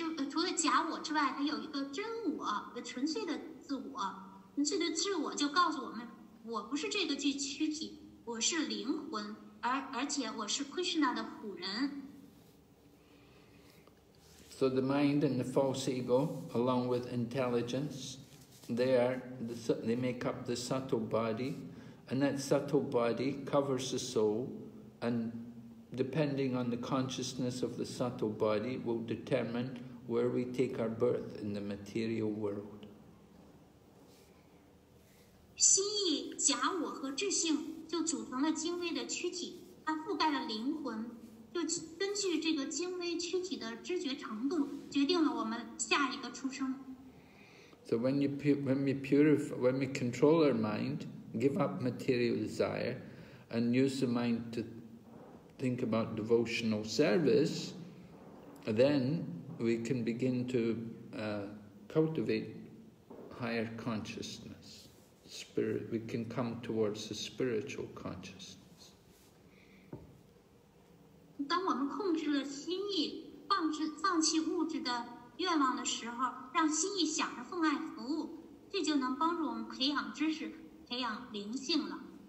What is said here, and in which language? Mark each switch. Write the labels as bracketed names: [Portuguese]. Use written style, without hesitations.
[Chinese] 除了假我之外，还有一个真我，一个纯粹的自我。纯粹的自我就告诉我们，我不是这个躯体，我是灵魂，而且我是 Krishna 的仆人。 [English] So the mind and the false ego, along with intelligence,They make up the subtle body, and that subtle body covers the soul, and depending on the consciousness of the subtle body will determine where we take our birth in the material world. [Chinese] 心意、假我和智性就组成了精微的躯体，它覆盖了灵魂，就根据这个精微躯体的知觉程度，决定了我们下一个出生。 [English] So when we control our mind, give up material desire, and use the mind to think about devotional service, then we can begin to cultivate higher consciousness. Spirit, we can come towards the spiritual consciousness. [Chinese] 当我们控制了心意，放弃物质的愿望的时候，让心意想着奉爱服务，这就能帮助我们培养知识，培养灵性了。